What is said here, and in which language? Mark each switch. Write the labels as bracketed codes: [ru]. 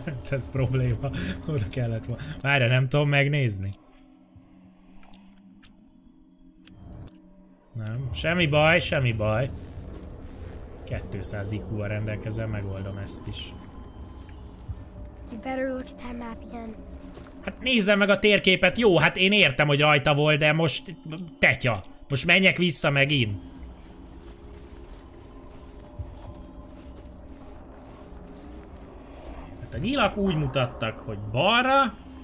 [hu] Ez probléma. Oda kellett volna. Várja, nem tudom megnézni. Nem, semmi baj. 200 IQ-val rendelkezem, megoldom ezt is. [en] You better look at that map again. [hu] Hát nézze meg a térképet. Jó, hát én értem, hogy rajta volt, de most... Tetya. Most menjek vissza megint! Hát a nyilak úgy mutattak, hogy balra...